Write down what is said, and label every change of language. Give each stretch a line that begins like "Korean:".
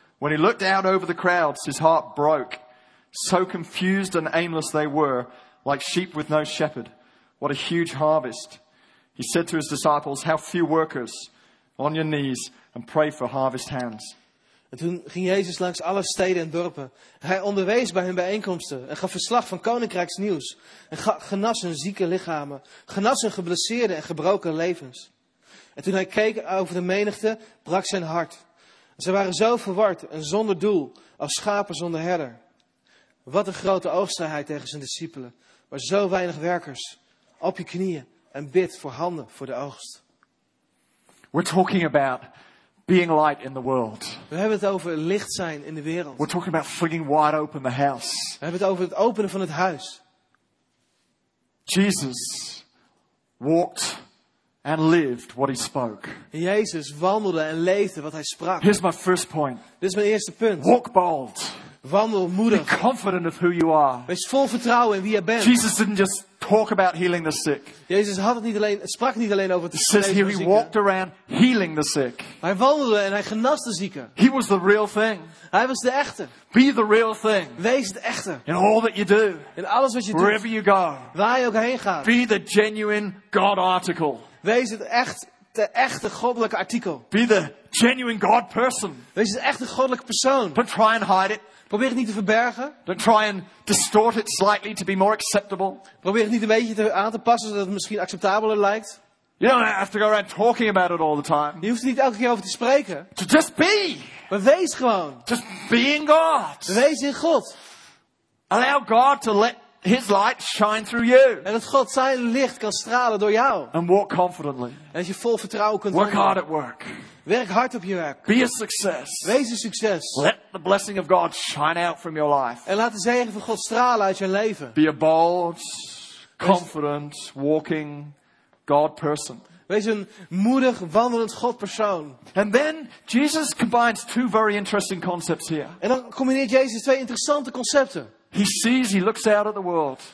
English: When he looked out over the crowds, his heart broke. So confused and aimless they were, like sheep with no shepherd. What a huge harvest. He said to his disciples, how few workers, on your knees, and pray for harvest hands.
Dutch: En toen ging Jezus langs alle steden en dorpen. Hij onderwees bij hun bijeenkomsten en gaf verslag van koninkrijksnieuws. En genas hun zieke lichamen, genas hun geblesseerde en gebroken levens. En toen hij keek over de menigte, brak zijn hart. En ze waren zo verward en zonder doel, als schapen zonder herder. Wat een grote oogst zei hij tegen zijn discipelen. Maar zo weinig werkers. Op je knieën en bid voor handen voor de oogst.
English: We're talking about being light in the world.
Dutch: We hebben het over licht zijn in de wereld.
English: We're talking about flinging wide open the house.
Dutch: We hebben het over het openen van het huis.
English: Jesus walked and lived what he spoke.
Dutch: Jezus wandelde en leefde wat hij sprak.
English: Here's my first point.
Dutch: Dit is mijn eerste punt.
English: Walk bold.
Dutch: Wandel moedig.
English: Be confident of who you are.
Dutch: Wees vol vertrouwen in wie je bent.
English: Jesus didn't just talk about healing the sick.
Dutch: Jezus had het niet alleen, sprak niet alleen over het genezen van zieken.
English: He walked around healing the sick.
Dutch: Hij wandelde en hij genas de zieken.
English: He was the real thing.
Dutch: Hij was de echte.
English: Be the real thing.
Dutch: Wees het echte.
English: In all that you do.
Dutch: In alles wat je
English: wherever
Dutch: doet.
English: Wherever you go.
Dutch: Waar je ook heen gaat.
English: Be the genuine God article.
Dutch: Wees het echt. De echte goddelijke artikel.
English: Be the genuine God person.
Dutch: Wees de echte goddelijke persoon.
English: Don't try and hide it.
Dutch: Probeer het niet te verbergen.
English: Don't try and distort it slightly to be more acceptable.
Dutch: Probeer het niet een beetje aan te passen zodat het misschien acceptabeler lijkt.
English: You don't have to go around talking about it all the time.
Dutch: Je hoeft er niet elke keer over te spreken.
English: To just be.
Dutch: Maar wees gewoon.
English: Just being God.
Dutch: Wees in God.
English: Allow God to let His light shine through you.
Dutch: En dat God zijn licht kan stralen door jou.
English: And walk confidently.
Dutch: En dat je vol vertrouwen kunt
English: work hard at work.
Dutch: Werk hard op je werk.
English: Be a success.
Dutch: Wees een succes.
English: Let the blessing of God shine out from your life.
Dutch: En laat de zegen van God stralen uit je leven.
English: Be a bold, confident, walking God person.
Dutch: Wees een moedig, wandelend God persoon.
English: And then Jesus combines two very interesting concepts here.
Dutch: En dan combineert Jezus twee interessante concepten.
English: He sees, he looks out at the world.